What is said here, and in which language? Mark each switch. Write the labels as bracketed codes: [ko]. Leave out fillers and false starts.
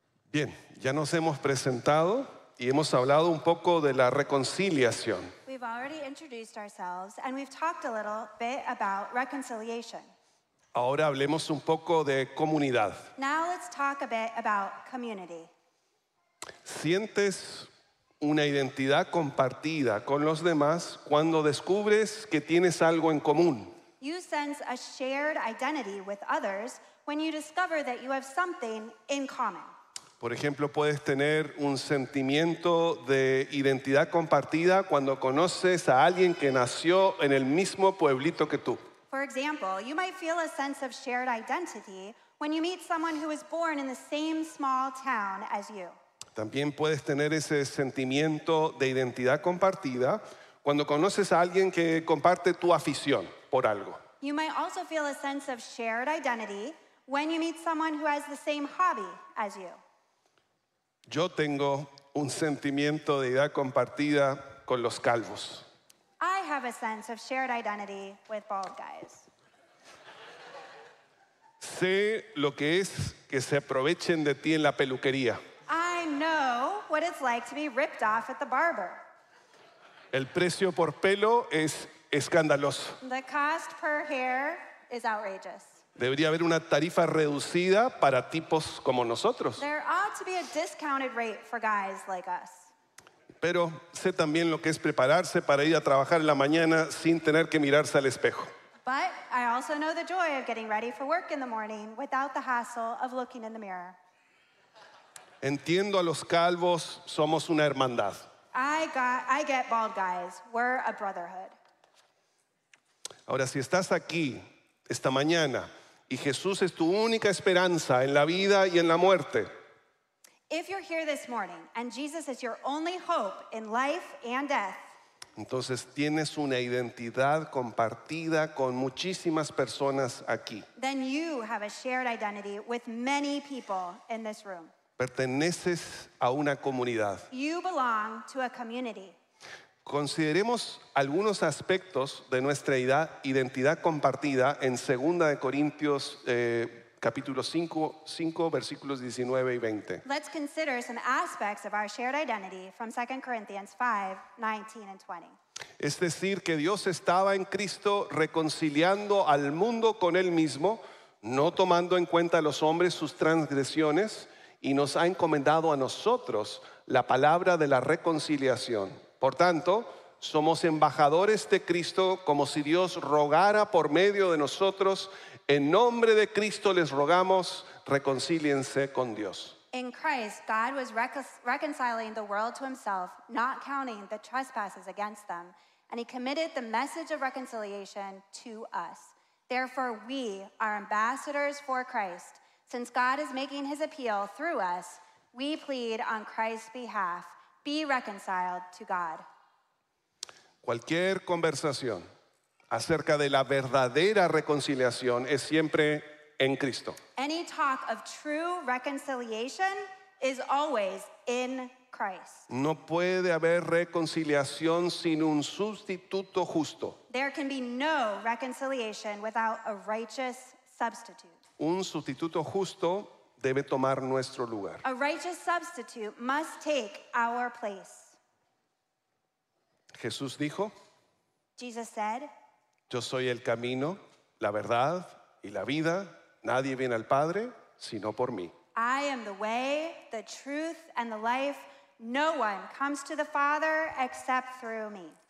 [es] Bien, ya nos hemos presentado y hemos hablado un poco de la reconciliación. [en] We've already introduced ourselves and we've talked a little bit about reconciliation. [es] Ahora hablemos un poco de comunidad. [en] Now let's talk a bit about community. [es] ¿Sientes una identidad compartida con los demás cuando descubres que tienes algo en común? [en] You sense a shared identity with others when you discover that you have something in common. [es] Por ejemplo, puedes tener un sentimiento de identidad compartida cuando conoces a alguien que nació en el mismo pueblito que tú. [en] For example, you might feel a sense of shared identity when you meet someone who was born in the same small town as you. [es] También puedes tener ese sentimiento de identidad compartida cuando conoces a alguien que comparte tu afición por algo. [en] You might also feel a sense of shared identity when you meet someone who has the same hobby as you. [es] Yo tengo un sentimiento de identidad compartida con los calvos. [en] I have a sense of shared identity with bald guys. [es] Sé lo que es que se aprovechen de ti en la peluquería. [en] I know what it's like to be ripped off at the barber. [es] El precio por pelo es escandaloso. [en] The cost per hair is outrageous. [es] Debería haber una tarifa reducida para tipos como nosotros. [en] There ought to be a discounted rate for guys like us. [es] Pero sé también lo que es prepararse para ir a trabajar en la mañana sin tener que mirarse al espejo. [en] But I also know the joy of getting ready for work in the morning without the hassle of looking in the mirror. [es] Entiendo a los calvos, somos una hermandad. [en] I get bald guys, we're a brotherhood. [es] Ahora, si estás aquí esta mañana y Jesús es tu única esperanza en la vida y en la muerte. [en] If you're here this morning and Jesus is your only hope in life and death, [es] entonces tienes una identidad compartida con muchísimas personas aquí. [en] Then you have a shared identity with many people in this room. [es] Perteneces a una comunidad. [en] You belong to a community. [es] Consideremos algunos aspectos de nuestra identidad compartida en 2 Corintios capítulo 5, versículos 19 y 20. [en] Let's consider some aspects of our shared identity from 2 Corinthians 5, 19 and 20. [es] Es decir, que Dios estaba en Cristo reconciliando al mundo con Él mismo, no tomando en cuenta a los hombres sus transgresiones, y nos ha encomendado a nosotros la palabra de la reconciliación. Por tanto, somos embajadores de Cristo, como si Dios rogara por medio de nosotros. En nombre de Cristo les rogamos, reconcíliense con Dios. [en] In Christ, God was reconciling the world to himself, not counting the trespasses against them. And he committed the message of reconciliation to us. Therefore, we are ambassadors for Christ. Since God is making his appeal through us, we plead on Christ's behalf, be reconciled to God. [es] Cualquier conversación acerca de la verdadera reconciliación es siempre en Cristo. [en] Any talk of true reconciliation is always in Christ. [es] No puede haber reconciliación sin un sustituto justo. [en] There can be no reconciliation without a righteous substitute. [es] Un sustituto justo debe tomar nuestro lugar. [en] A righteous substitute must take our place. [es] Jesús dijo, [en] Jesus said, [es] yo soy el camino, la verdad y la vida. Nadie viene al Padre sino por mí. [en] I am the way, the truth, and the life. No one comes to the Father except through me.